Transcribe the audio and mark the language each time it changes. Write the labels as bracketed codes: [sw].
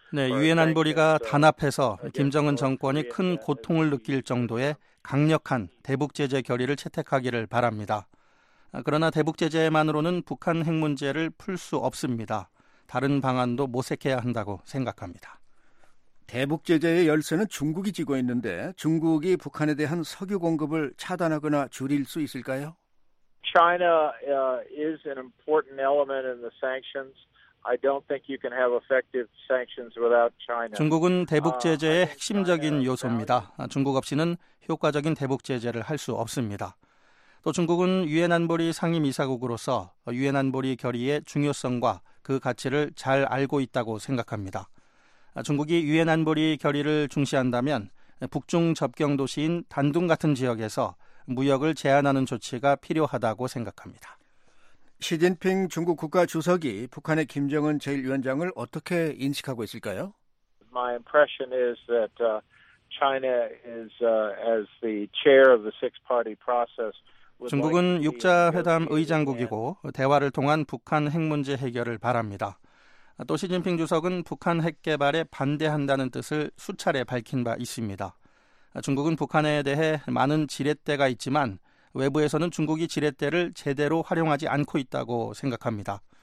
[ko] 네, 유엔 안보리가 단합해서 김정은 정권이 큰 고통을 느낄 정도의 강력한 대북 제재 결의를 채택하기를 바랍니다. 그러나 대북 제재만으로는 북한 핵 문제를 풀 수 없습니다. 다른 방안도 모색해야 한다고 생각합니다. 대북 제재의 열쇠는 중국이 쥐고 있는데 중국이 북한에 대한 석유 공급을 차단하거나 줄일 수 있을까요? [en] China is an important element in the sanctions. I don't think you can have effective sanctions without China. [ko] 중국은 대북 제재의 핵심적인 요소입니다. 중국 없이는 효과적인 대북 제재를 할 수 없습니다. 또 중국은 유엔 안보리 상임이사국으로서 유엔 안보리 결의의 중요성과 그 가치를 잘 알고 있다고 생각합니다. 중국이 유엔 안보리 결의를 중시한다면 북중 접경 도시인 단둥 같은 지역에서 무역을 제한하는 조치가 필요하다고 생각합니다. 시진핑 중국 국가 주석이 북한의 김정은 제1위원장을 어떻게 인식하고 있을까요? [en] My impression is that China is as the chair of the six-party process. [ko] 중국은 6자회담 의장국이고 대화를 통한 북한 핵 문제 해결을 바랍니다. 또 시진핑 주석은 북한 핵 개발에 반대한다는 뜻을 수차례 밝힌 바 있습니다. 중국은 북한에 대해 많은 지렛대가 있지만 외부에서는 중국이 지렛대를 제대로 활용하지 않고 있다고 생각합니다.